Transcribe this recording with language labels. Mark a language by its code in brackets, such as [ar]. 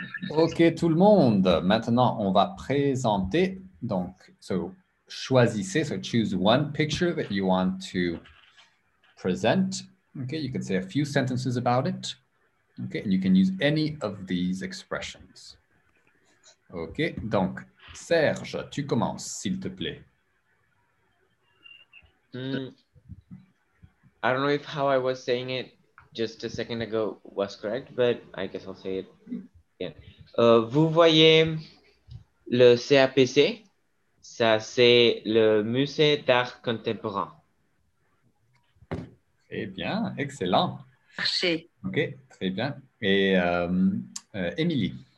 [fr] Ok tout le monde, maintenant on va présenter, donc choisissez, [en] choose one picture that you want to present. Okay, you could say a few sentences about it. Okay, and you can use any of these expressions. [fr] Okay, donc Serge, tu commences, s'il te plaît. [en] I don't know if how I was saying it just a second ago was correct, but I guess I'll say it again. [fr] Vous voyez le CAPC, ça c'est le Musée d'Art Contemporain. Très bien, excellent. Marché. Ok, très bien. Et Émilie.